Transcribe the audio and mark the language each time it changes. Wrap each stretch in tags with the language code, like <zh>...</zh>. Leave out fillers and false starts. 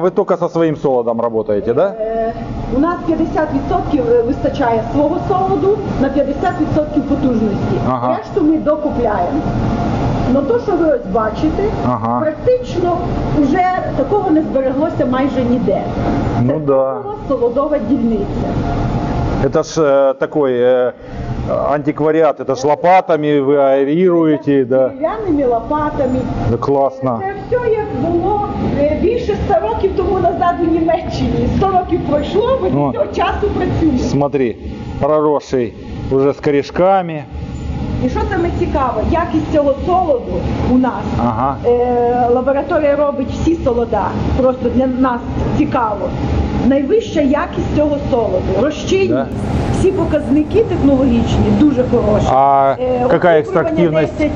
<ru>вы только со своим солодом работаете, да?</ru> <uk>У нас 50% выстачает своего солоду на 50% потужности. Ага.</uk> <ru>Решту мы докупляем. Но то, что вы</ru> <uk>ось бачите, ага, практично уже такого не збереглося майже ніде.</uk> <ru>Ну да.</ru> <uk>Солодова дільниця.</uk> <ru>Это ж такой антиквариат, это ж лопатами вы аэрируете, да? Деревянными лопатами. Да классно. Это все, как было больше 100 лет тому назад в Німеччині. 100 лет прошло, вы</ru> <uk>до цього часу працюете.</uk> <ru>Смотри, проросший уже с корешками.</ru> <uk>І що саме цікаво, якість цього солоду у нас, ага. Лабораторія робить всі солода, просто для нас цікаво. Найвища якість цього солоду, розчинність, да. Всі показники технологічні дуже хороші. А яка екстрактивність?</uk>